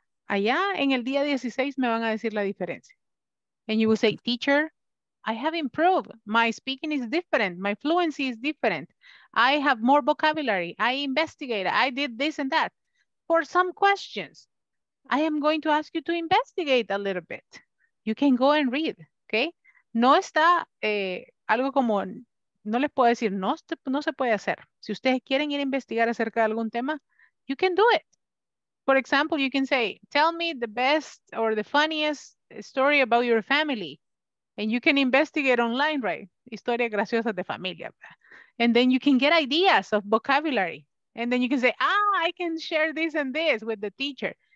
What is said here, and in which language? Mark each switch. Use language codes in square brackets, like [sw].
[es] Allá en el día 16 me van a decir la diferencia. [en] And you will say, teacher, I have improved. My speaking is different. My fluency is different. I have more vocabulary. I investigated. I did this and that. For some questions, I am going to ask you to investigate a little bit. You can go and read, okay? [es] No está algo como, no les puedo decir, no se puede hacer. Si ustedes quieren ir a investigar acerca de algún tema, [en] you can do it. For example, you can say, tell me the best or the funniest story about your family. And you can investigate online, right? [es] Historia graciosa de familia. [en] And then you can get ideas of vocabulary. And then you can say, ah, I can share this and this with the teacher.